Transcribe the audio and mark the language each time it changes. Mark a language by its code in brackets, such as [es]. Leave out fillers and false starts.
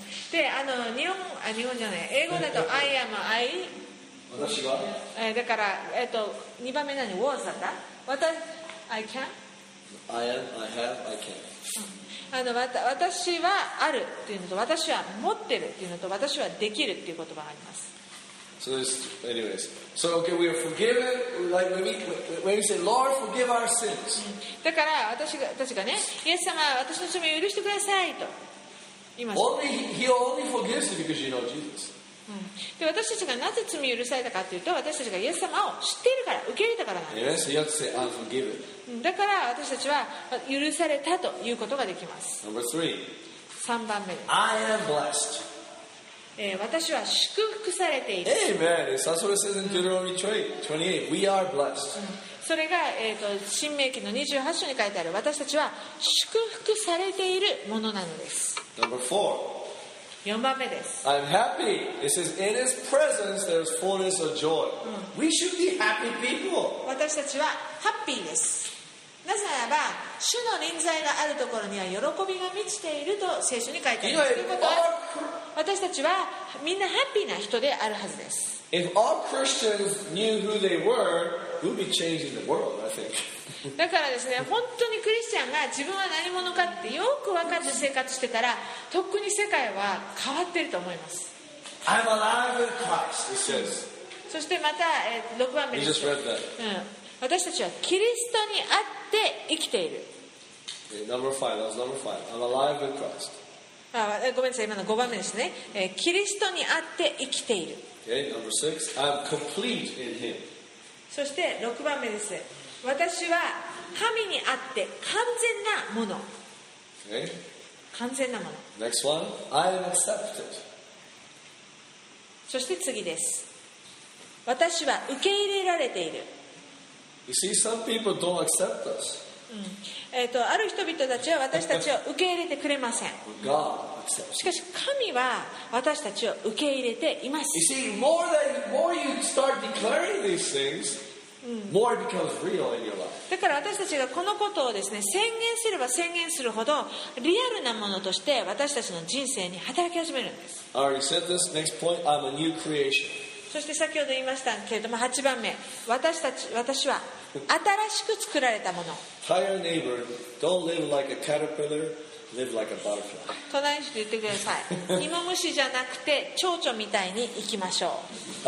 [ja] で、あの、日本じゃない、英語だと [en] I am, I、 [ja] 私は、だから、二番目何に was だった？私、 [en] I can。 I am, I have, I can。 [ja] あの、私はあるっていうのと、私は持ってるっていうのと、私はできるっていう言葉があります。 [en] So this, anyways, so okay, we are forgiven. Like when we say, Lord, forgive our sins。 [ja] だから私がね、イエス様、私の罪を許してくださいと言いました。 [en] He only forgives you because you know Jesus。 [ja] で、私たちがなぜ罪を許されたかというと、私たちがイエス様を知っているから、受け入れたからなんです。 [en] Yes, you have to say, I'm forgiven. [ja] だから私たちは許されたということができます。 [en] Number three. [ja] 3番目です [en] 。 I am blessed.、 [ja] 私は祝福されている。 [en] Amen. That's what it says in Deuteronomy 28. We are blessed.、 [ja] それが、新命記の28章に書いてある、私たちは祝福されているものなのです。 [en] Number four. [ja] 4番目です。 [en] I'm happy. It says in His presence there's fullness of joy.、We should be happy people. [ja] 私たちはハッピーです。なぜならば、主の臨在があるところには喜びが満ちていると聖書に書いてあります。ということは、私たちはみんなハッピーな人であるはずです。 [en] If all Christians knew who they were, we'd be changing the world, I think. [ja] だからですね、本当にクリスチャンが自分は何者かってよく分かって生活してたら、とっくに世界は変わってると思います。 [en] I'm alive in Christ, it says. [ja] そしてまた、6番目です。 [en] You just read that. [ja] 私たちはキリストにあって生きている。 [en] Okay, number five, that was number five. I'm alive in Christ. [ja] ごめんなさい、今の5番目ですね。キリストにあって生きている。 [en] Okay, number six, I'm complete in Him. [ja] そして6番目です。私は神にあって完全なもの。 [en] Okay. [ja] 完全なもの。 [en] Next one, I am accepted. [ja] そして次です。私は受け入れられている。 [en] You see, some people don't accept us. [ja] ある人々たちは私たちを受け入れてくれません。 [en] God accepts. [ja] しかし神は私たちを受け入れています。 [en] You see, more you start declaring these things. More becomes real in your life. [ja] だから私たちがこのことをですね、宣言すれば宣言するほどリアルなものとして私たちの人生に働き始めるんです。 [en] I already said this. Next point, I'm a new creation. [ja] そして先ほど言いましたけれども、8番目、私は新しく作られたもの。 [en] Tell your neighbor, don't live like a caterpillar, live like a butterfly. [ja] 隣に言ってください。芋虫じゃなくて蝶々みたいに行きましょう。